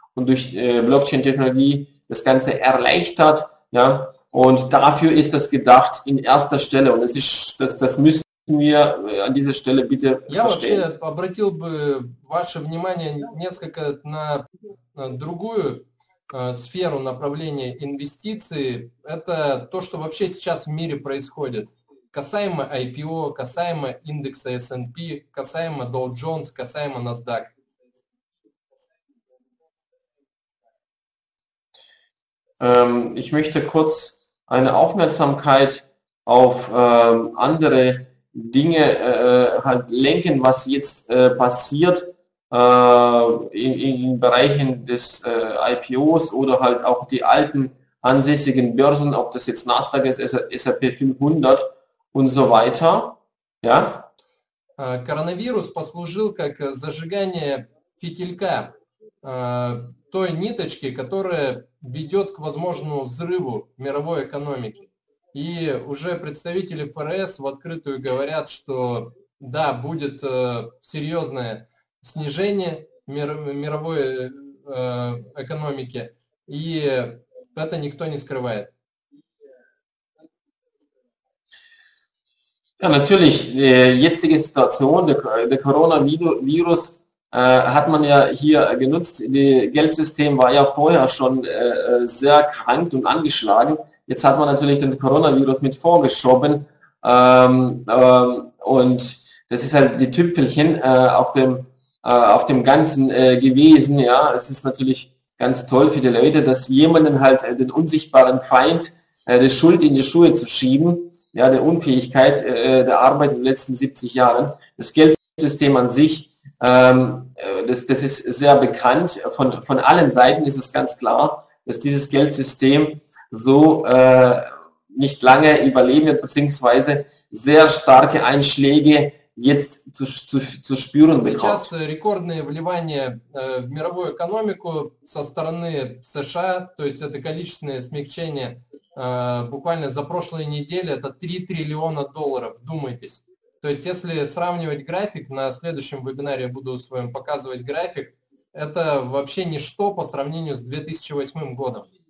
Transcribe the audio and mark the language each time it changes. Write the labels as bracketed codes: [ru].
[de] Und durch Blockchain-Technologie das Ganze erleichtert, ja, und dafür ist das gedacht in erster Stelle und das müssen wir an dieser Stelle bitte verstehen. [ru] Я вообще обратил бы ваше внимание несколько на другую сферу направления инвестиций. Это то, что вообще сейчас в мире происходит. Касаемо IPO, касаемо индекса S&P, касаемо Dow Jones, касаемо NASDAQ. [de] Ich möchte kurz eine Aufmerksamkeit auf andere Dinge halt lenken, was jetzt passiert in Bereichen des IPOs oder halt auch die alten ansässigen Börsen, ob das jetzt Nasdaq ist, S&P 500 und so weiter. Ja? [ru] Коронавирус послужил как зажигание фитилька. Той ниточки, которая ведет к возможному взрыву мировой экономики. И уже представители ФРС в открытую говорят, что да, будет серьезное снижение мировой экономики, и это никто не скрывает. [de] Ja, natürlich, die jetzige Situation, der Coronavirus hat man ja hier genutzt. Das Geldsystem war ja vorher schon sehr krank und angeschlagen. Jetzt hat man natürlich den Coronavirus mit vorgeschoben. Und das ist halt die Tüpfelchen auf dem Ganzen gewesen. Ja, es ist natürlich ganz toll für die Leute, dass jemanden halt den unsichtbaren Feind die Schuld in die Schuhe zu schieben. Ja, der Unfähigkeit der Arbeit in den letzten 70 Jahren. Das Geldsystem an sich, das ist sehr bekannt. Von allen Seiten ist es ganz klar, dass dieses Geldsystem so nicht lange überleben wird, beziehungsweise sehr starke Einschläge jetzt zu spüren bekommt. [ru] Сейчас рекордные вливания в мировую экономику со стороны США, то есть это количественное смягчение, буквально за прошлую неделю это 3 триллиона долларов, вдумайтесь. То есть если сравнивать график, на следующем вебинаре буду с вами показывать график, это вообще ничто по сравнению с 2008 годом.